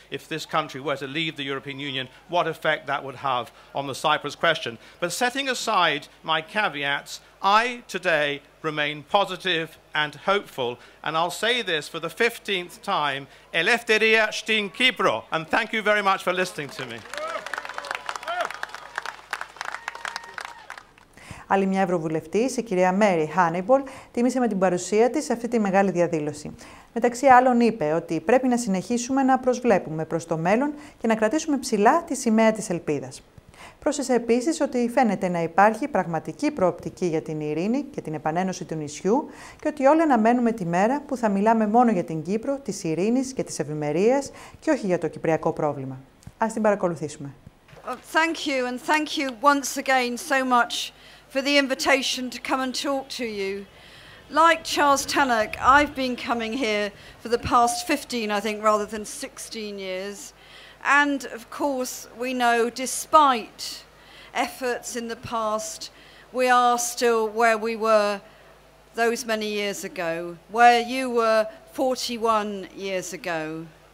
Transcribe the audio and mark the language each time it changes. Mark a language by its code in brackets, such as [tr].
[en] If this country were to leave the European Union, what effect that would have on the Cyprus question. But setting aside my caveats, I today remain positive and hopeful. And I'll say this for the 15th time, [el] Eleftheria stin Kypro. [en] And thank you very much for listening to me. [el] Άλλη μια ευρωβουλευτής, η κυρία Μέρι Χάνιμπολ, τίμησε με την παρουσία της αυτή τη μεγάλη διαδήλωση. Μεταξύ άλλων είπε ότι πρέπει να συνεχίσουμε να προσβλέπουμε προς το μέλλον και να κρατήσουμε ψηλά τη σημαία της ελπίδας. Πρόσθεσε επίσης ότι φαίνεται να υπάρχει πραγματική προοπτική για την ειρήνη και την επανένωση του νησιού και ότι όλοι αναμένουμε τη μέρα που θα μιλάμε μόνο για την Κύπρο, της ειρήνης και της ευημερίας και όχι για το κυπριακό πρόβλημα. Ας την παρακολουθήσουμε. [en] Thank you and thank you once again so much for the invitation to come and talk to you. Like Charles Tannock, I've been coming here for the past 15, I think, rather than 16 years. And of course, we know despite efforts in the past, we are still where we were those many years ago, where you were 41 years ago.